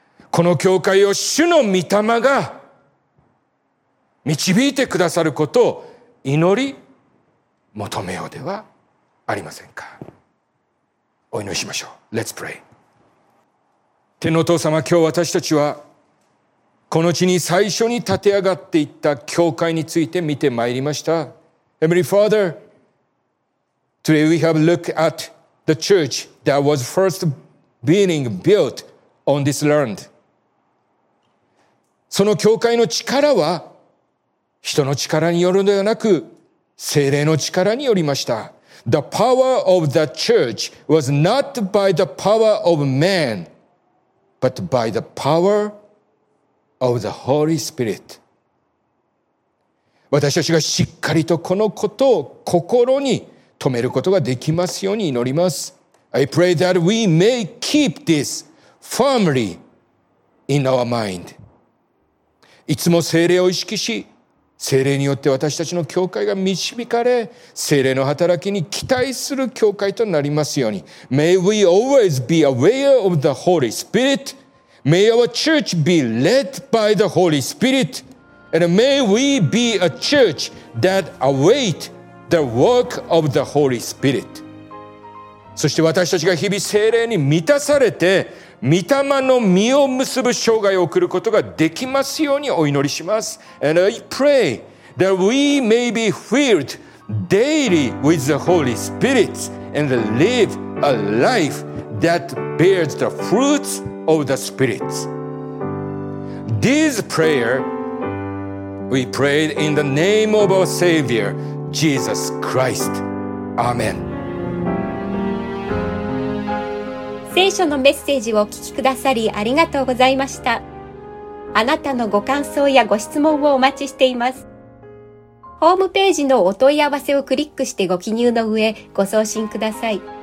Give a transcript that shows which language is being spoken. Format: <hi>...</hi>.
<ja>この教会を主の御霊が導いてくださることを祈り求めようではありませんか。お祈りしましょう。</ja> <en>Let's pray。</en> <ja>天のお父様、今日私たちはこの地に最初に立て上がっていった教会について見てまいりました。</ja> <en>Heavenly Father, today we have looked at the church that was first being built on this land.</en> <ja>その教会の力は人の力によるのではなく聖霊の力によりました。</ja> <en>The power of the church was not by the power of man, but by the powerOf the Holy Spirit.</en> <ja>私たちがしっかりとこのことを心に留めることができますように祈ります。</ja> <en>I pray that we may keep this firmly in our mind.</en> <ja>いつも聖霊を意識し、聖霊によって私たちの教会が導かれ、聖霊の働きに期待する教会となりますように。</ja> <en>May we always be aware of the Holy Spirit. May our church be led by the Holy Spirit, and may we be a church that await the work of the Holy Spirit.</en> <ja>そして私たちが日々聖霊に満たされて、御霊の実を結ぶ生涯を送ることができますようにお祈りします。</ja> <en>And I pray that we may be filled daily with the Holy Spirit and live a life that bears the fruits. Of the spirits. This prayer we pray in the name of our Savior, Jesus Christ. Amen.</en> <ja>聖書のメッセージをお聞きくださりありがとうございました。あなたのご感想やご質問をお待ちしています。ホームページのお問い合わせをクリックしてご記入の上ご送信ください。</ja>